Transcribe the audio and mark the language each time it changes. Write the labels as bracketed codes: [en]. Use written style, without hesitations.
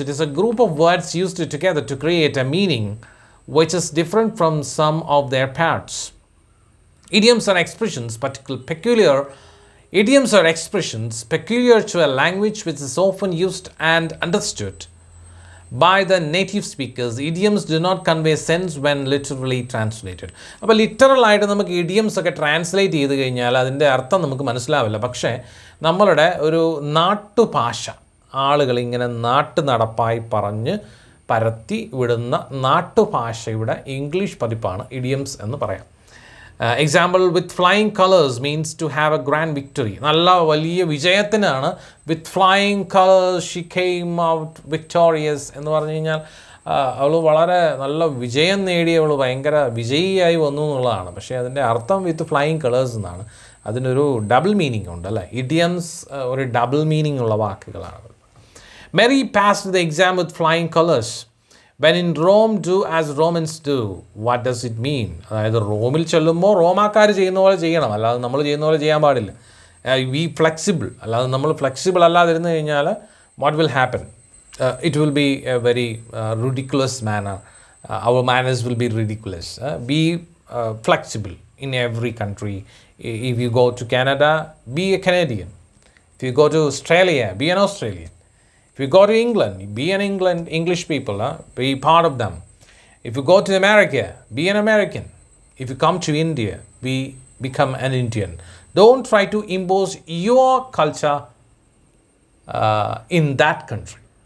[en] It is a group of words used together to create a meaning which is different from some of their parts. Idioms are expressions, peculiar to a language which is often used and understood by the native speakers. Idioms do not convey sense when literally translated. [ml] അപ്പൊ literal ആയിട്ട് നമുക്ക് idioms ഒക്കെ translate ചെയ്ത് കഴിഞ്ഞാൽ അതിൻ്റെ അർത്ഥം നമുക്ക് മനസ്സിലാവില്ല. പക്ഷേ നമ്മളുടെ ഒരു നാട്ടുഭാഷ, ആളുകൾ ഇങ്ങനെ നാട്ടു നടപ്പായി പറഞ്ഞ് പരത്തി വിടുന്ന നാട്ടുഭാഷയുടെ ഇംഗ്ലീഷ് പതിപ്പാണ് ഇഡിയംസ് എന്ന് പറയാം. [en] Example, with flying colours means to have a grand victory. [ml] നല്ല വലിയ വിജയത്തിനാണ് [en] with flying colours she came out victorious [ml] എന്ന് പറഞ്ഞു കഴിഞ്ഞാൽ അവൾ വളരെ നല്ല വിജയം നേടി, അവൾ ഭയങ്കര വിജയിയായി വന്നു എന്നുള്ളതാണ്. പക്ഷേ അതിൻ്റെ അർത്ഥം [en] with flying colours [ml] എന്നാണ്. അതിനൊരു ഡബിൾ മീനിങ് ഉണ്ട് അല്ലേ. ഇഡിയംസ് ഒരു ഡബിൾ മീനിങ് ഉള്ള വാക്കുകളാണ്. [en] Mary passed the exam with flying colours. When in Rome, do as Romans do. What does it mean? [ml] അതായത് റോമിൽ ചെല്ലുമ്പോൾ റോമാക്കാർ ചെയ്യുന്ന പോലെ ചെയ്യണം, അല്ലാതെ നമ്മൾ ചെയ്യുന്ന പോലെ ചെയ്യാൻ പാടില്ല. [en] be flexible, [ml] അല്ലാതെ നമ്മൾ [en] flexible [ml] അല്ലാതിരുന്നു കഴിഞ്ഞാൽ [en] What will happen? It will be a very ridiculous manner. Our manners will be ridiculous. Be flexible in every country. If you go to Canada, be a Canadian. If you go to Australia, be an Australian. If you go to England, be an England English people, be part of them. If you go to America, be an American. If you come to India, become an Indian. Don't try to impose your culture in that country.